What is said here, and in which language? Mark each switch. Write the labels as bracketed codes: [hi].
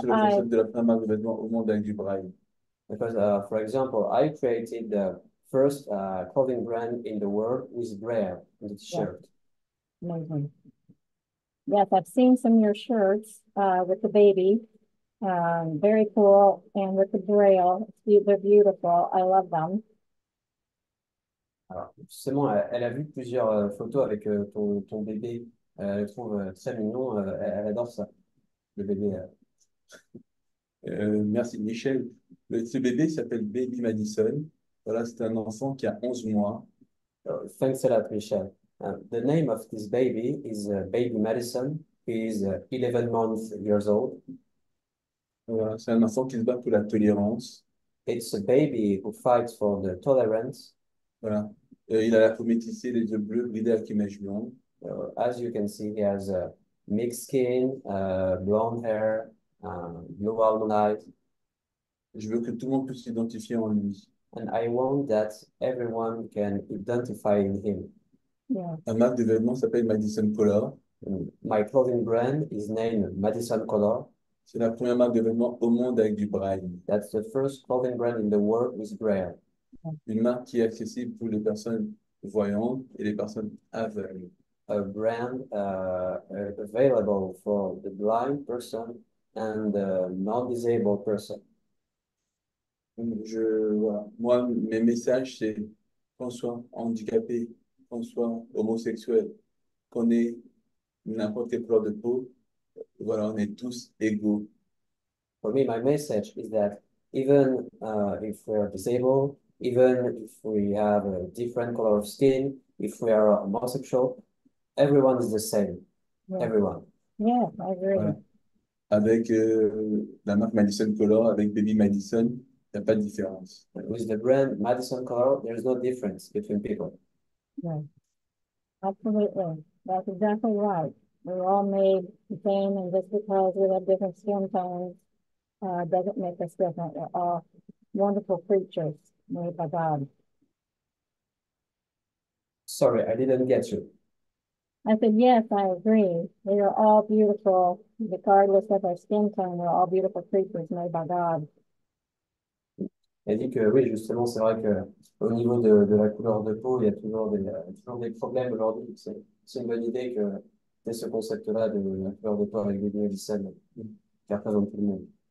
[fr] lancé le concept de la première marque de vêtements au monde avec du braille. [en] Because, for example, I created the first clothing brand in the world with braille on the Yes. t-shirt. Amazing. Yes, I've seen some of your shirts with the baby. Very cool, and with the braille, they're beautiful. I love them. [fr] Alors, justement, elle a vu plusieurs photos avec ton bébé. Elle le trouve très mignon. Elle adore ça, le bébé. Merci Michel. Ce bébé s'appelle Baby Madison. Voilà, c'est un enfant qui a 11 mois. [en] Thanks a lot, Michel. The name of this baby is Baby Madison. He is 11 months years old. [fr] Voilà, c'est un enfant qui se bat pour la tolérance. [en] It's a baby who fights for the tolerance. [fr] Voilà. Il a la peau métissée, les yeux bleus, bridés avec image blonde. [en] As you can see, he has a mixed skin, blonde hair, blue eyes. [fr] Je veux que tout le monde puisse s'identifier en lui. [en] And I want that everyone can identify in him. Yeah. [fr] La marque de vêtements s'appelle Madison Color. [en] My clothing brand is named Madison Color. [fr] C'est la première marque de vêtements au monde avec du braille. [en] That's the first clothing brand in the world with braille. [fr] Une marque qui est accessible pour les personnes voyantes et les personnes aveugles. [en] A brand available for the blind person and the non-disabled person. [fr] Je, voilà. Moi, mes messages, c'est qu'on soit handicapé, qu'on soit homosexuel, qu'on ait n'importe quelle couleur de peau, voilà, on est tous égaux. [en] For me, my message is that even if we are disabled, even if we have a different color of skin, if we are homosexual, everyone is the same. Yeah. Everyone. Yeah, I agree. [fr] Voilà. Avec la marque Madison Color, avec Baby Madison, il n'y a pas de différence. [en] With the brand Madison Color, there is no difference between people. Yeah. Absolutely. That's exactly right. We're all made the same, and just because we have different skin tones doesn't make us different. We're all wonderful creatures made by God. Sorry, I didn't get you. I said, yes, I agree. We are all beautiful, regardless of our skin tone. We're all beautiful creatures made by God. [fr] Elle dit que oui, justement, c'est vrai qu'au niveau de la couleur de peau, il y a toujours des problèmes aujourd'hui. C'est une bonne idée que dès ce concept-là de la couleur de peau avec l'univers du sel qui représente tout le monde.